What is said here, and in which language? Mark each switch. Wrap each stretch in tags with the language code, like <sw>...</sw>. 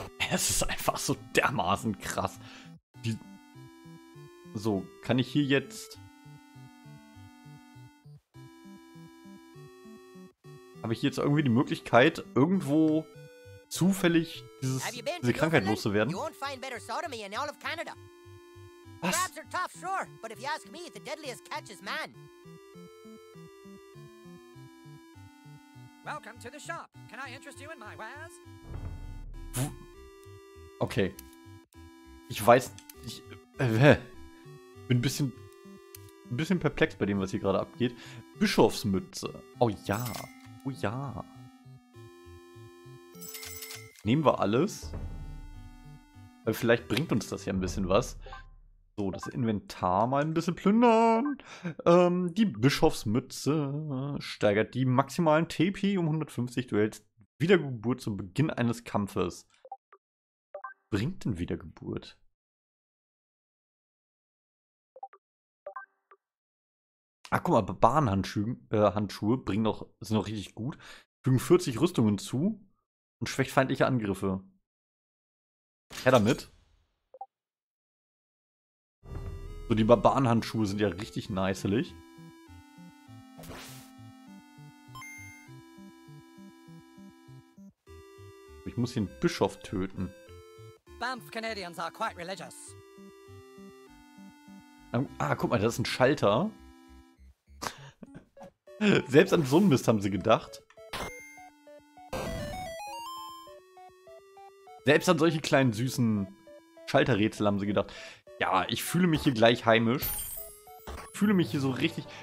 <de>Es ist einfach so dermaßen krass. So, kann ich hier jetzt... Habe ich jetzt irgendwie die Möglichkeit, irgendwo zufällig diese Krankheit loszuwerden? Was?</de> <en>Rats are tough, sure, but if you ask me, the deadliest catch is man. Welcome to the shop. Can I interest you in my wares? Okay.</en> <de>Ich weiß, ich bin ein bisschen perplex bei dem, was hier gerade abgeht. Bischofsmütze. Oh ja. Oh ja. Nehmen wir alles. Weil vielleicht bringt uns das ja ein bisschen was. So, das Inventar mal ein bisschen plündern. Die Bischofsmütze steigert die maximalen TP um 150. Du erhältst Wiedergeburt zum Beginn eines Kampfes. Bringt denn Wiedergeburt? Ach, guck mal, Barbarenhandschuhe sind auch richtig gut. Fügen 40 Rüstungen zu und schwächt feindliche Angriffe. Her damit. So, die Barbarenhandschuhe sind ja richtig nicelig. Ich muss hier einen Bischof töten.</de> <en>Banff Canadians are quite religious.</en> <de>Ah, guck mal, das ist ein Schalter. Selbst an so einen Mist haben sie gedacht. Selbst an solche kleinen süßen Schalterrätsel haben sie gedacht. Ja, ich fühle mich hier gleich heimisch. Ich fühle mich hier so richtig.</de>